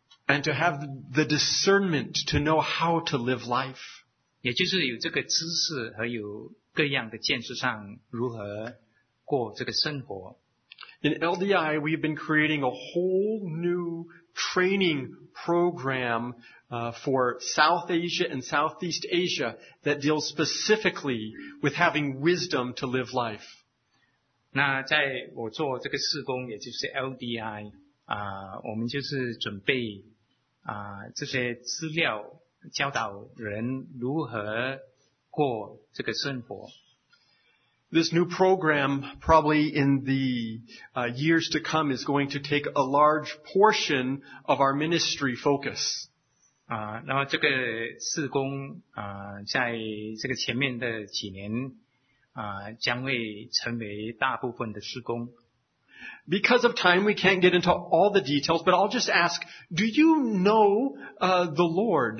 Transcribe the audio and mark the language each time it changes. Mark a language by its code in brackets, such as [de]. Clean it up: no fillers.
[en] And to have the discernment to know how to live life. [zh] 也就是有这个知识和有各样的见识上如何过这个生活。 [en] In LDI, we have been creating a whole new training program for South Asia and Southeast Asia that deals specifically with having wisdom to live life. [zh] 那在我做这个事工，也就是 LDI 啊，我们就是准备啊这些资料，教导人如何过这个生活。 [en] This new program, probably in the years to come, is going to take a large portion of our ministry focus. [zh] 那么这个事工在这个前面的几年将会成为大部分的事工。 [en] Because of time, we can't get into all the details, but I'll just ask, do you know the Lord?